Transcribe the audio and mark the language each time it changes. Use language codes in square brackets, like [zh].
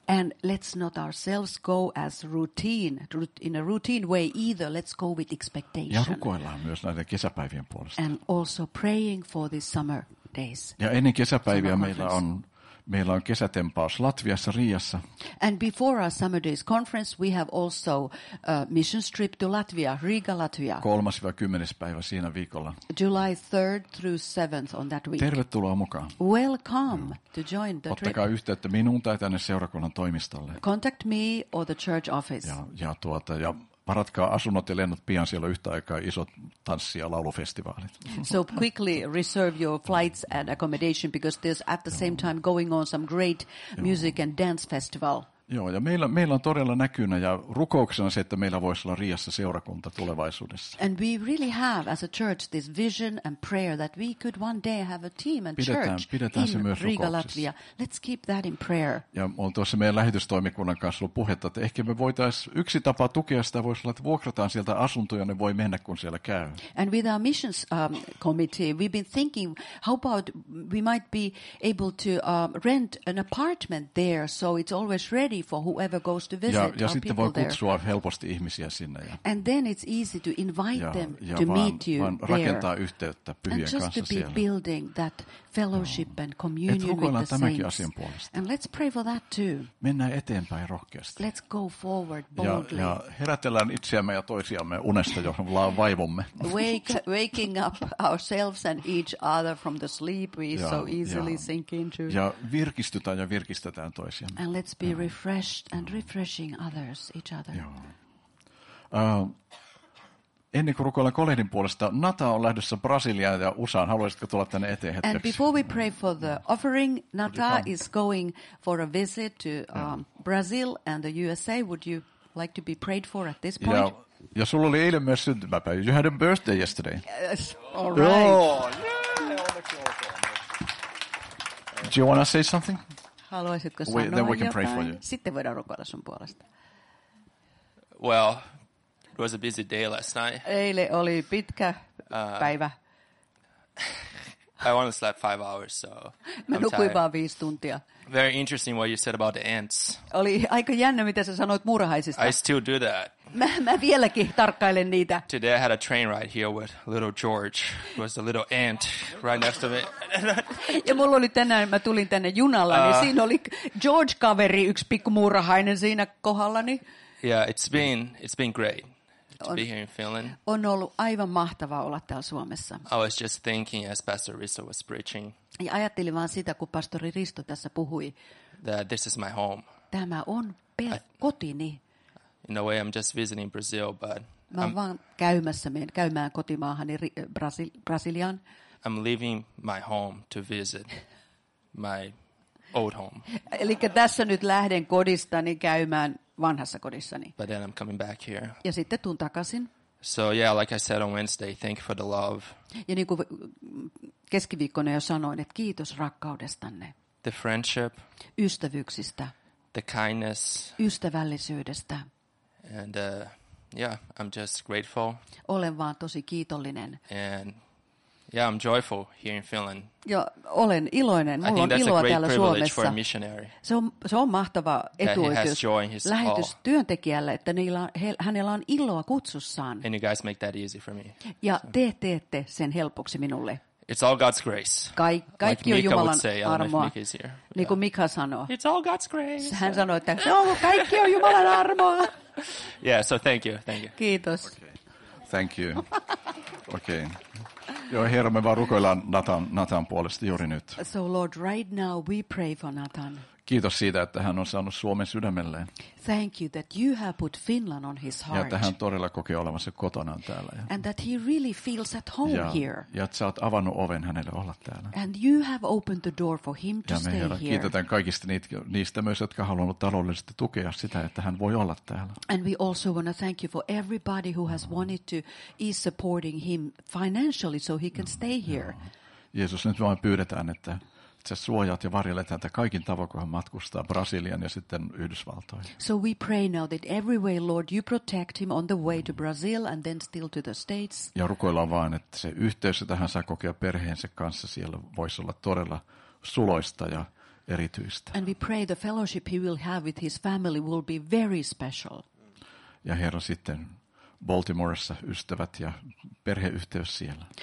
[en] And let's not ourselves go as routine, in a routine way either. Let's go with expectation. [fi] Ja rukoillaan myös näiden kesäpäivien puolesta. [en] And also praying for the summer days. [fi] Ja ennen kesäpäiviä meillä on kesätempaus Latviassa, Riiassa. [en] And before our summer days conference, we have also a mission trip to Latvia, Riga, Latvia. [fi] 3.–10. päivä siinä viikolla. [en] July 3rd through 7th on that week. [fi] Tervetuloa mukaan. [en] Welcome to join the [fi] Ottakaa [en] trip. [fi] Ottakaa yhteyttä minuun tai tänne seurakunnan toimistolle. [en] Contact me or the church office. [fi] Ja varatkaa asunnot ja lennot pian, siellä yhtä aikaa isot tanssi- ja laulufestivaalit. [en] So quickly reserve your flights and accommodation because there's at the same time going on some great music and dance festival. [fi] Joo, ja meillä on todella näkynä ja rukouksena se, että meillä voisi olla Riiassa seurakunta tulevaisuudessa. [en] And we really have as a church this vision and prayer that we could one day have a team and [fi] pidetään [en] church in Riga, Latvia. Let's keep that in prayer. [fi] Ja on tuossa meidän lähetystoimikunnan kanssa ollut puhetta, että ehkä me voitaisiin yksi tapa tukea sitä, voisi olla, että vuokrataan sieltä asuntoja, ne voi mennä, kun siellä käy. [en] And with our missions committee, we've been thinking, how about we might be able to rent an apartment there, so it's always ready for whoever goes to visit [fi] ja sitten voi kutsua helposti ihmisiä sinne. [en] And then it's easy to invite them to [fi] vaan, [en] meet you [fi] vaan [en] there. [fi] Rakentaa yhteyttä pyhien kanssa siellä. [en] And just to be [fi] siellä. [en] Building that fellowship and communion with the [fi] tämänkin [en] saints. [fi] Asian puolesta. [en] And let's pray for that too. [fi] Mennään eteenpäin rohkeasti. [en] Let's go forward boldly. [fi] Ja herätellään itseämme ja toisiamme unesta, johon vaivumme. [en] Waking up ourselves and each other from the sleep we so easily sink into. [fi] Ja virkistytään ja virkistetään toisiamme. [en] And let's be refreshed and refreshing others, each other. [fi] Ennen kuin rukoillaan Kolehdin puolesta, Nata on lähdössä Brasiliaan ja USAan. Haluaisitko tulla tänne eteen hetkeksi? [en] And before we pray for the offering, Nata is going for a visit to Brazil and the USA. Would you like to be prayed for at this point? [fi] Ja sulla oli eilen myös syntymäpäivä. [en] You had a birthday yesterday. Yes, all right. Oh, do you want to say something? [fi] Haluaisitko sanoa jotain? [en] Then we can pray for you. [fi] Sitten voidaan rukoilla sun puolesta. [en] Well, it was a busy day last night. [fi] Eile oli pitkä päivä. [en] I only slept 5 hours, so [fi] mä nukuin vaan 5 tuntia. [en] Very interesting what you said about the ants. [fi] Oli aika jännä, mitä sä sanoit muurahaisista. [en] I still do that. [fi] Mä vieläkin tarkkailen niitä. [en] Today I had a train ride here with little George. It was the little ant right next to me. [fi] Ja mulla oli tänään, mä tulin tänne junalla, niin siinä oli George-kaveri, yksi pikku muurahainen siinä kohdallani. [en] Yeah, it's been great to be here in Finland. [fi] On ollut aivan mahtavaa olla täällä Suomessa. [en] I was just thinking as Pastor Risto was preaching. [fi] Ja ajattelin vaan sitä, kun pastori Risto tässä puhui. [en] That this is my home. [fi] Tämä on kotini. [en] In a way, I'm just visiting Brazil, but [fi] mä oon vaan käymään kotimaahani Brasiliaan. [en] I'm leaving my home to visit my old home. [fi] Eli tässä nyt lähden kodistani käymään vanhassa kodissani. [en] But then I'm coming back here. [fi] Ja sitten tuun takaisin. [en] So yeah, like I said on Wednesday, thank you for the love. [fi] Ja niin kuin keskiviikkona jo sanoin, että kiitos rakkaudestanne. [en] The friendship. [fi] Ystävyyksistä. [en] The kindness. [fi] Ystävällisyydestä. [en] And yeah, I'm just grateful. [fi] Olen vaan tosi kiitollinen. [en] And yeah, I'm joyful here in Finland. [fi] Ja olen iloinen. Mulla on iloa täällä Suomessa. [en] For a missionary. [fi] Se on mahtava etuoikeus lähetystyöntekijälle, että hänellä on iloa kutsussaan. [en] And you guys make that easy for me. [fi] Ja te teette sen helpoksi minulle. [en] It's all God's grace. [fi] Kaikki on Jumalan armoa. Niin kuin Mika sanoo. [en] It's all God's grace. [fi] Hän sanoi, että kaikki on Jumalan armoa. [en] Yeah, so thank you. [fi] Kiitos. [en] Okay. Thank you. Okay. [fi] Joo, Herra, me vaan rukoillaan Nathan puolesta juuri nyt. [en] So Lord, right now we pray for Nathan. [fi] Kiitos siitä, että hän on saanut Suomen sydämelleen. [en] Thank you that you have put Finland on his heart. [fi] Ja että hän todella kokee olevansa kotona täällä. [en] And that he really feels at home here. [fi] Ja että sä oot avannut oven hänelle olla täällä. [en] And you have opened the door for him to stay here. [fi] Ja me kiitetään kaikista niistä myös, jotka haluavat taloudellisesti tukea sitä, että hän voi olla täällä. [en] And we also want to thank you for everybody who has wanted to is supporting him financially so he can stay here. [fi] Jeesus, nyt vaan pyydetään, että sä suojaat ja varjelet häntä kaikin tavoin, kun hän matkustaa Brasilian ja sitten Yhdysvaltoihin. [en] So we pray now that every way, Lord, you protect him on the way to Brazil and then still to the States. [fi] Ja rukoillaan vaan, että se yhteys, jota hän saa kokea perheensä kanssa siellä, voisi olla todella suloista ja erityistä. [en] And we pray the fellowship he will have with his family will be very special. [fi] Ja Herra, sitten Baltimoressa ystävät ja perheyhteys siellä.